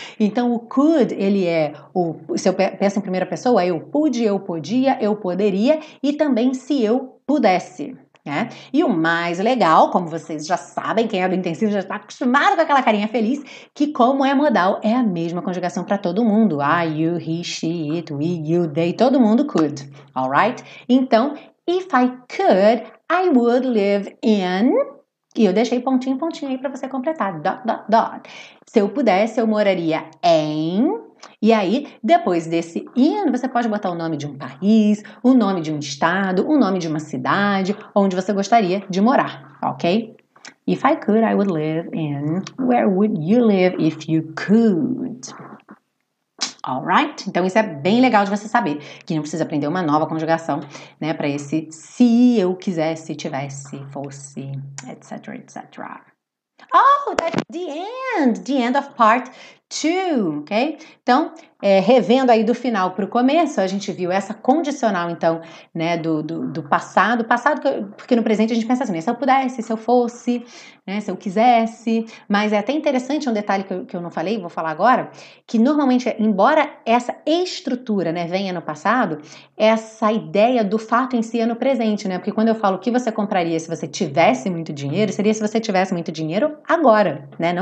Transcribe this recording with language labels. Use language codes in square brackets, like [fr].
[pt] Então, o could, ele é o. Se eu penso em primeira pessoa, é eu pude, eu podia, eu poderia, e também se eu pudesse, né? E o mais legal, como vocês já sabem, quem é do intensivo já está acostumado com aquela carinha feliz, que como é modal, é a mesma conjugação para todo mundo. [en] I, you, he, she, it, we, you, they, [pt] todo mundo [en] could, alright? Então, if I could, I would live in. [pt] E eu deixei pontinho, pontinho aí para você completar. [en] Dot, dot, dot. [pt] Se eu pudesse, eu moraria em. E aí, depois desse in, você pode botar o nome de um país, o nome de um estado, o nome de uma cidade, onde você gostaria de morar, ok? [en] If I could, I would live in. Where would you live if you could? Alright? [pt] Então, isso é bem legal de você saber, que não precisa aprender uma nova conjugação, né, para esse se eu quisesse, tivesse, fosse, etc, etc. [en] Oh, that's the end of part two, ok? [pt] Então, revendo aí do final para o começo, a gente viu essa condicional, então, né, do passado. Passado, porque no presente a gente pensa assim, né, se eu pudesse, se eu fosse, né, se eu quisesse. Mas é até interessante um detalhe que eu não falei, vou falar agora, que normalmente, embora essa estrutura, né, venha no passado, essa ideia do fato em si é no presente, né? Porque quando eu falo o que você compraria se você tivesse muito dinheiro, seria se você tivesse muito dinheiro agora, né?